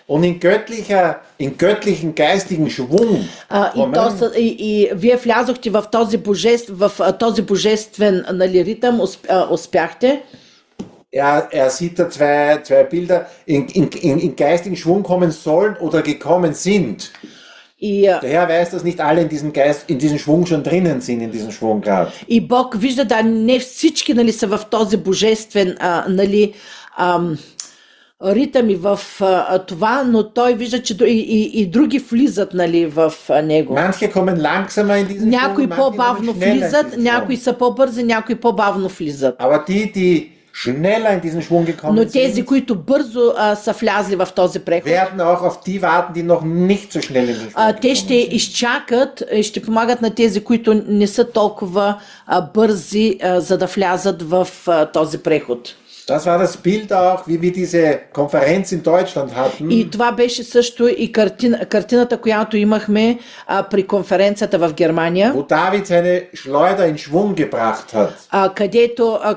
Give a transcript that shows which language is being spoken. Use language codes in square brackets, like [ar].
[de] Und in göttlichen geistigen Schwung. [bg] И вие влязохте в този божествен, нали, ритъм, успяхте. [de] Er sieht da zwei Bilder in geistigen Schwung kommen sollen oder gekommen sind. Der Herr weiß, dass nicht alle in diesem Geist, in diesem Schwung schon drinnen sind, in diesem Schwung gerade. [bg] И Бог вижда, да, не всички, нали, са в този божествен, нали, ритъм и в това, но той вижда, че и други влизат, нали, в него. [de] Manche kommen langsamer in diesen Schwung, [bg] някои по-бавно влизат, някои са по-бързи, някои по-бавно влизат. [de] Aber die schneller in diesen Schwung gekommen sind. [bg] Но тези, които бързо са влязли в този преход, [de] werden auch auf die warten, die noch nicht so schnell in den Schwung gekommen sind. [bg] Те ще изчакат и ще помагат на тези, които не са толкова бързи, за да влязат в този преход. [de] Das war das Bild auch, wie wir diese Konferenz in Deutschland hatten. [bg] И това беше също и картината, която имахме при конференцията в Германия. [de] Wo David seine Schleuder in Schwung gebracht hat.